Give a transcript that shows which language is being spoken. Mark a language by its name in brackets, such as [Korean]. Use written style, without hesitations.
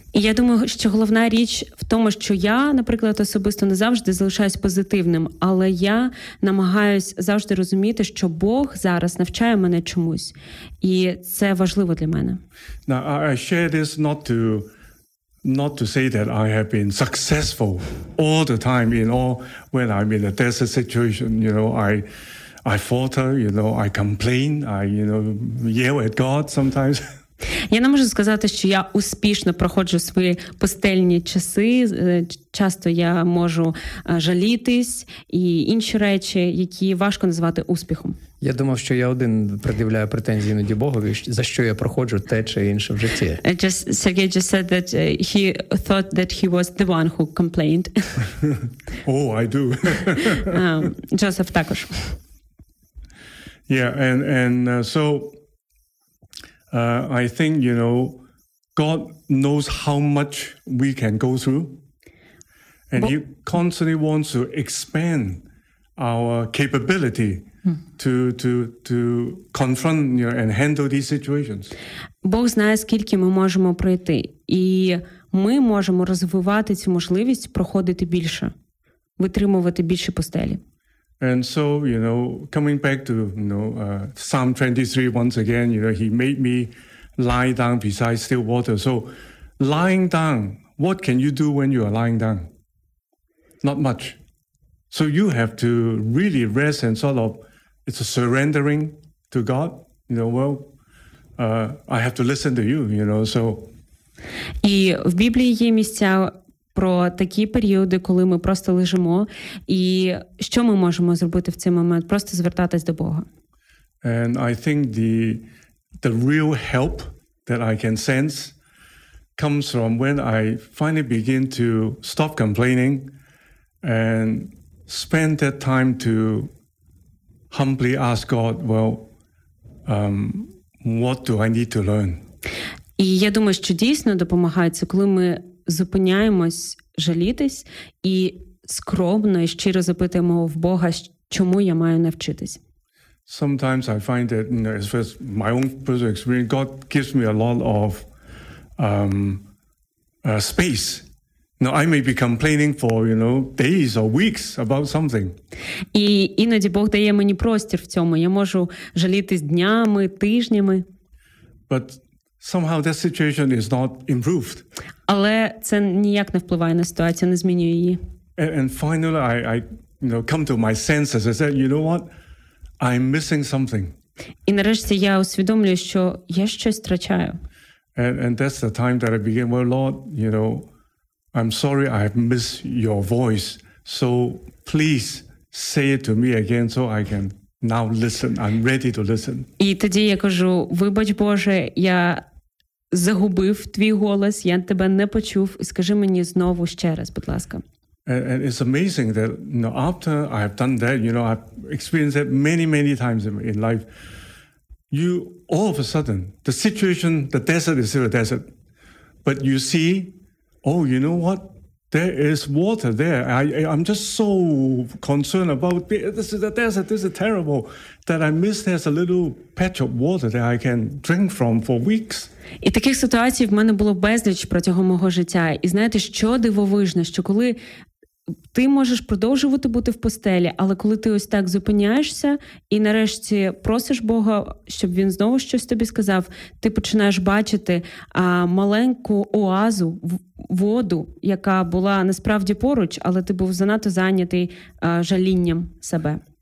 [Ukrainian] Я думаю, що головна річ в тому, що я, наприклад, особисто не завжди залишаюсь позитивним, але я намагаюсь завжди розуміти, що Бог зараз навчає мене чомусь, і це важливо для мене. [English] Now, I share this not to say that I have been successful all the time, you know, when I'm in a desert situation, you know, I falter, you know, I complain, I yell at God sometimes. [Ukrainian] Я не можу сказати, що я успішно проходжу свої пустельні часи. Часто я можу жалітись і інші речі, які важко назвати успіхом. Я думав, що я один пред'являю претензії іноді Богові, за що я проходжу те чи інше в житті. [English] Сергій just said that he thought that he was the one who complained. Oh, I do. [Ukrainian] Джозеф також. [English] Yeah, and so... I think, you know, God knows how much we can go through. And He constantly wants to expand our capability to confront, you know, and handle these situations. [Ukrainian] Бог знає, скільки ми можемо пройти. І ми можемо розвивати цю можливість проходити більше, витримувати більше пустелі. [English] And so, you know, coming back to, you know, Psalm 23 once again, you know, he made me lie down beside still water. So, lying down, what can you do when you are lying down? Not much. So, you have to really rest and sort of, it's a surrendering to God. You know, well, I have to listen to you, you know, so. [Ukrainian] І в Біблії є місця про такі періоди, коли ми просто лежимо, і що ми можемо зробити в цей момент? Просто звертатись до Бога. [English] And I think the real help that I can sense comes from when I finally begin to stop complaining and spend that time to humbly ask God, well, what do I need to learn? [Ukrainian] І я думаю, що дійсно допомагає це, коли ми зупиняємось жалітись і скромно і щиро запитуємо в Бога, чому я маю навчитись. [English] Sometimes I find that, you know, as far as my own personal experience, God gives me a lot of space. Now, I may be complaining for, you know, days or weeks about something. [Ukrainian] І іноді Бог дає мені простір в цьому. Я можу жалітись днями, тижнями. [English] But somehow that situation is not improved. [Ukrainian] Але це ніяк не впливає на ситуацію, не змінює її. [English] And finally I come to my senses. I said, you know what? I'm missing something. [Ukrainian] І нарешті я усвідомлюю, що я щось втрачаю. [English] And that's the time that I began, well, Lord, you know, I'm sorry I have missed your voice. So please say it to me again so I can now listen. I'm ready to listen. [Ukrainian] І тоді я кажу: "Вибач, Боже, я загубив твій голос, я тебе не почув. Скажи мені знову ще раз, будь ласка." [English] And it's amazing that, you know, after I have done that, you know, I've experienced that many times in life, you all of a sudden, the situation, the desert is still a desert, but you see, oh, you know what? There is water there. I'm just so concerned about, this is a desert, this is terrible, that I miss there's a little patch of water that I can drink from for weeks. [Ukrainian] І таких ситуацій в мене було безліч протягом мого життя. І знаєте, що дивовижно, що коли ти можеш продовжувати бути в постелі, але коли ти ось так зупиняєшся і нарешті просиш Бога, щоб він знову щось тобі сказав, ти починаєш бачити маленьку оазу, воду, яка була насправді поруч, але ти був занадто зайнятий жалінням себе.